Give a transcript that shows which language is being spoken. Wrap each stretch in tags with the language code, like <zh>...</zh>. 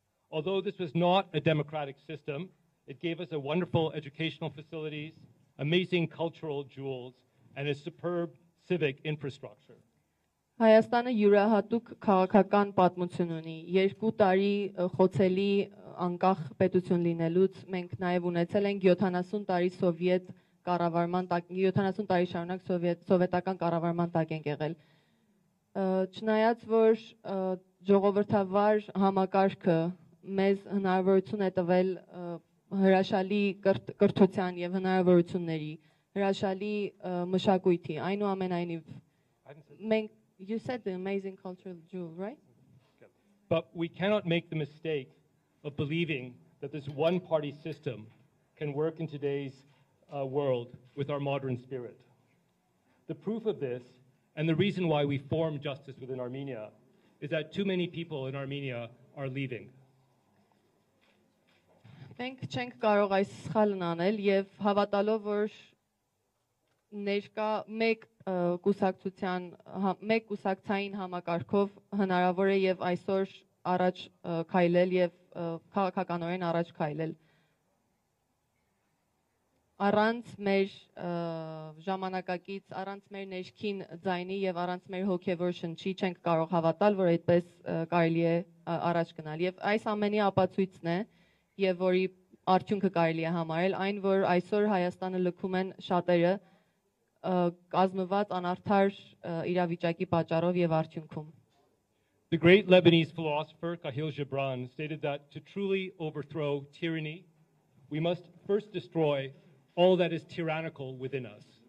<en>Although this was not a democratic system, it gave us a wonderful educational facilities, amazing cultural jewels, and a superb civic infrastructure.</en> <hy>Հայաստանը յուրահատուկ քաղաքական պատմություն ունի։ Երկու տարի խոցելի անկախ պետություն լինելուց մենք նաև ունեցել ենք 70 տարի սովիետ կառավարման տակ, 70 տարի շարունակ սովետական կառավարման տակ ենք եղել։ Չնայած որ ժողովրդավար համակարգը մեզ հնարավորություն է տվել հրաշալի կրթության եւ հնարավորությունների, հրաշալի մշակույթի, այնուամենայնիվ մենք</hy> <en>you said the amazing cultural jewel, right? But we cannot make the mistake of believing that this one party system can work in today's world with our modern spirit. The proof of this and the reason why we form justice within Armenia is that too many people in Armenia are leaving.</en> <hy>Մենք չենք կարող այս սխալն անել եւ հավատալով որ ներկա մեկ կուսակցային համակարգով հնարավոր է եւ այսօր առաջ քայլել եւ քաղաքականորեն առաջ քայլել առանց մեր ժամանակակից, առանց մեր ներքին ձայնի եւ առանց մեր հոգեվոր շնչի չենք կարող հավատալ, որ այդպես կարելի է առաջ գնալ եւ այս ամենի ապացույցն է եւ որի արդյունքը կարելի է համարել այն, որ այսօր Հայաստանը լքում են շատերը կազմված անարդար իրավիճակի պատճառով եւ արդյունքում.</hy> <en>The great Lebanese philosopher Kahil Gibran stated that to truly overthrow tyranny, we must first destroy all that is tyrannical within us.</en>